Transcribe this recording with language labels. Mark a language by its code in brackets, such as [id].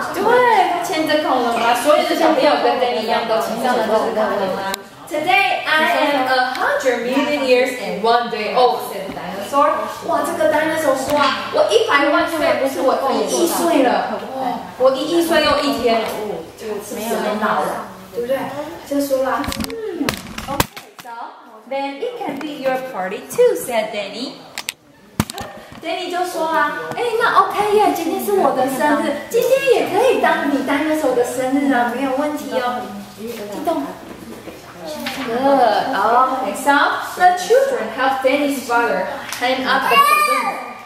[zh] 对，他牵着恐龙啊，所有的小朋友跟 Danny 一样都骑上了这个恐龙啊。 [en] Today I am 100 million years and 1 day old, said the dinosaur. [zh] 哇，这个 dinosaur 说啊，我一百万岁，不是我一亿岁了，我一亿岁又一天，就是没有那么老了，对不对？就说啦， [en] Okay, so then it can be your party too, said Danny. [zh] Danny 就说啊，哎，那 OK 耶，今天是我的生日，今天也可以当你 dinosaur 的生日啊，没有问题哦，激动。 [en] Good. Okay, so the children help Danny's brother hang up the balloon.